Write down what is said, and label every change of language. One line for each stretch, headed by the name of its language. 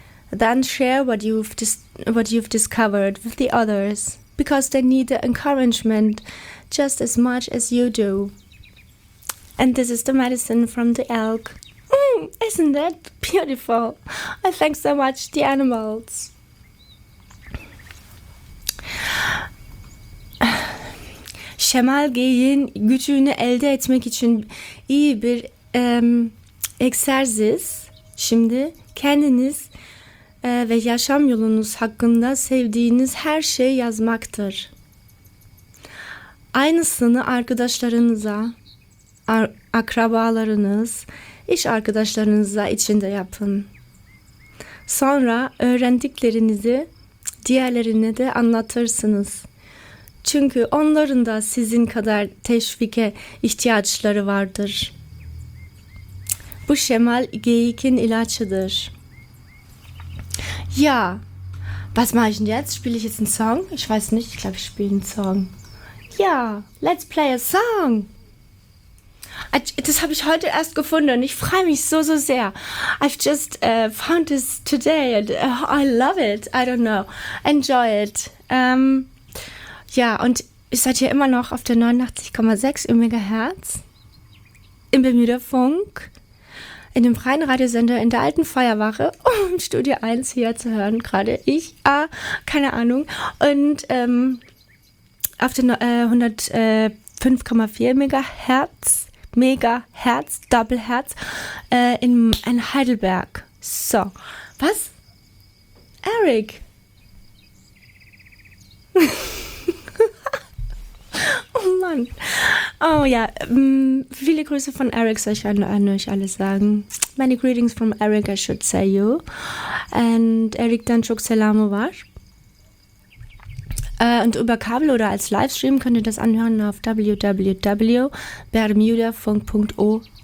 English: Then share what you've discovered with the others, because they need the encouragement just as much as you do. And this is the medicine from the elk. Isn't that beautiful? I thank so much the animals.
Turkish: Şemal Gey'in gücünü elde etmek için iyi bir egzersiz. Şimdi kendiniz ve yaşam yolunuz hakkında sevdiğiniz her şeyi yazmaktır. Aynısını arkadaşlarınıza, akrabalarınız, İş arkadaşlarınıza için de yapın. Sonra öğrendiklerinizi diğerlerine de anlatırsınız. Çünkü onların da sizin kadar teşvike ihtiyaçları vardır. Bu Şemal Geyik'in ilacıdır.
German: Ya, was mache ich denn jetzt? Spiele ich jetzt einen Song? Ich weiß nicht, ich glaube, ich spiele einen Song. Ja,
English: let's play a song!
German: Das habe ich heute erst gefunden. Ich freue mich so, so sehr.
English: I've just found this today. And, I love it. I don't know. Enjoy it.
German: Ja, und ihr seid ja immer noch auf der 89,6 im Megahertz, im Bermuda-Funk, in dem freien Radiosender, in der alten Feuerwache, um Studio 1 hier zu hören, gerade ich, keine Ahnung, und auf der 105,4 Megahertz, Megahertz, Doppelherz, in Heidelberg. So, was? Eric? Oh Mann. Oh ja, viele Grüße von Eric, soll ich an euch alle sagen.
English: Many greetings from Eric, I should say you. And Eric Danchuk Selamu Wash.
German: Und über Kabel oder als Livestream könnt ihr das anhören auf www.bermudafunk.org.